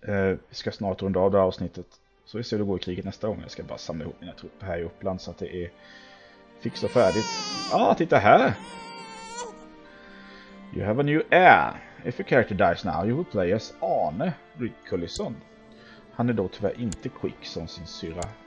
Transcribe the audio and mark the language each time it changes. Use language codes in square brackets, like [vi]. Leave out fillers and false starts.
[sv] Vi ska snart runda av det här avsnittet. Så vi ser hur det går i kriget nästa gång. Jag ska bara samla ihop mina trupper här i Uppland så att det är fixat och färdigt. Ah, titta här! [en] You have a new heir. If your character dies now, you will play as Arne Rydkullisson. [sv] Han är då tyvärr inte [en] quick [sv] som sin syra.